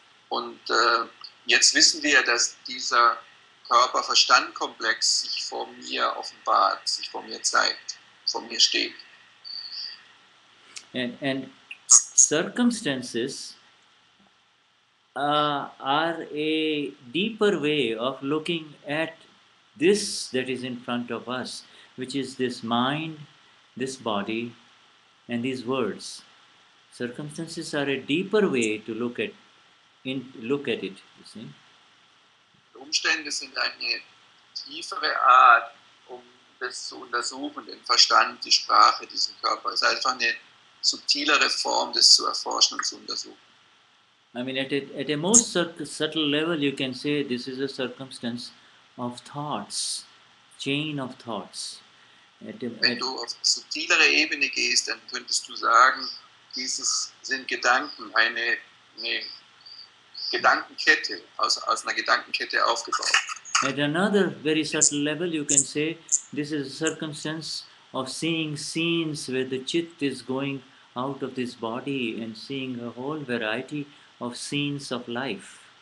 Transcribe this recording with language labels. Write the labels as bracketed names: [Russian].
[German] Und jetzt wissen wir, dass dieser Körper-Verstand-Komplex sich vor mir offenbart, sich vor mir zeigt, vor mir steht. [English] And circumstances are a deeper way of looking at this that is in front of us, which is this mind, this body, and these words. Circumstances are a deeper way to look at it, you see. [German] Umstände sind eine tiefere Art, um das zu untersuchen, den Verstand, die Sprache, diesen Körper. Es ist einfach eine subtilere Form, das zu erforschen und zu untersuchen. [English] I mean, at a most subtle level, you can say this is a circumstance of thoughts, chain of thoughts. [German] Wenn du auf subtilere Ebene gehst, dann könntest du sagen, dieses sind Gedanken, eine Gedankenkette, aus einer Gedankenkette aufgebaut. [English] At another very subtle level, you can say, this is a circumstance of seeing scenes where the chit is going out of this body and seeing a whole variety of scenes of life.